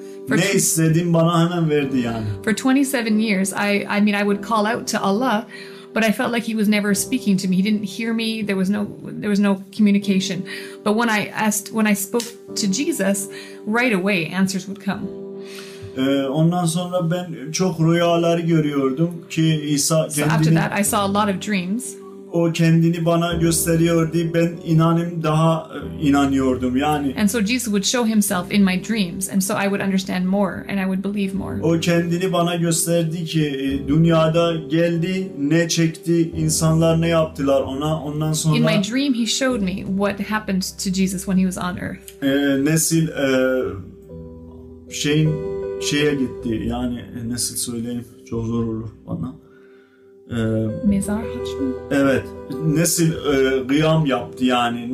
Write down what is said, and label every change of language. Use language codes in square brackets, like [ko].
[tr] Ne istedim bana hemen verdi yani. [en] For 27 years I mean I would call out to Allah, but I felt like he was never speaking to me. He didn't hear me. There was no communication. But when I spoke to Jesus, right away answers would come. [tr] Ondan sonra ben çok rüyaları görüyordum ki İsa kendini. [en] So after that, I saw a lot of dreams. [tr] O kendini bana gösteriyordu. Ben inanım daha inanıyordum yani. [en] And so Jesus would show himself in my dreams, and so I would understand more and I would believe more. [tr] O kendini bana gösterdi ki dünyada geldi, ne çekti, insanlar ne yaptılar ona. Ondan sonra [en] in my dream he showed me what happened to Jesus when he was on earth. [tr] Nesil şeyin şeye gitti. Yani nesil söyleyeyim çok zor olur bana. Mezar haçmı? Evet. Nesil kıyam yaptı yani.